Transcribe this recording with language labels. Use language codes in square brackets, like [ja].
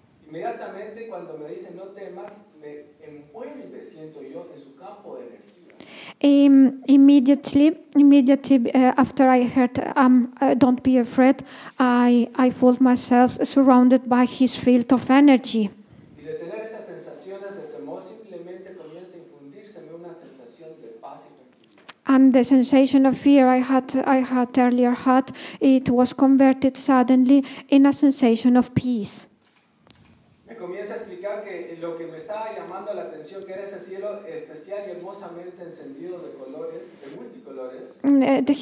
[es] Inmediatamente cuando me dice no temas, me envuelve, siento yo, en su campo de energía. [en] Immediately, after I heard don't be afraid, I felt myself surrounded by his field of energy. [es] Y de tener esas sensaciones de temor, simplemente comienza a infundirseme una sensación de paz y [en] and the sensation of fear I had earlier, it was converted suddenly in a sensation of peace. [es] Me comienza a explicar que lo que me estaba llamando la atención, que era ese cielo especial y hermosamente encendido de colores, de multicolores.